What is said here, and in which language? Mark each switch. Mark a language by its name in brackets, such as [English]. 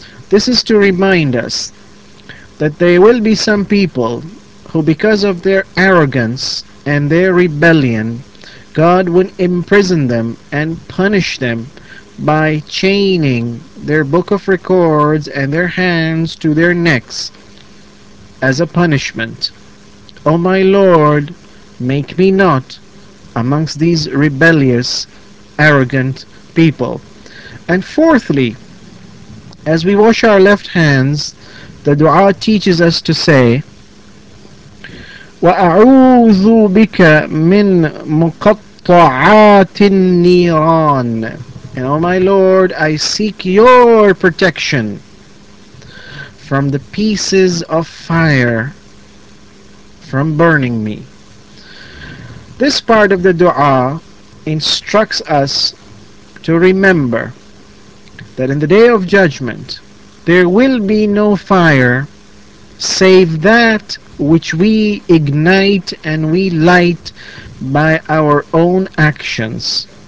[English] This is to remind us that there will be some people who, because of their arrogance and their rebellion, God would imprison them and punish them by chaining their book of records and their hands to their necks as a punishment. O my Lord, make me not amongst these rebellious, arrogant people. And fourthly, as we wash our left hands, the dua teaches us to say, [Arabic] وأعوذ بك من مقطعات النيران. [English] And oh my Lord, I seek your protection from the pieces of fire from burning me. This part of the dua instructs us to remember that in the day of judgment, there will be no fire save that which we ignite and we light by our own actions.